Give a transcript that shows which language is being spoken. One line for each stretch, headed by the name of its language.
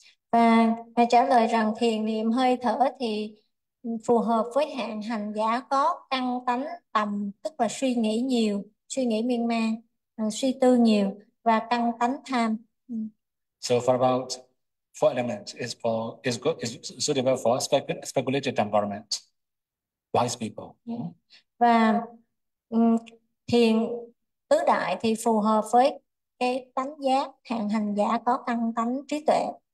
Vietnamese: Và mẹ trả lời rằng thiền niệm hơi thở thì phù hợp với hạng hành giả có căn tánh tầm, tức là suy nghĩ nhiều, suy nghĩ miên man, suy tư nhiều và căn tánh tham.
English: So for about four elements is for is good is suitable for speculative temperament, wise people.
Vietnamese: Và thiền tứ đại thì phù hợp với cái tánh giác, hạng hành giả có căn tánh trí tuệ.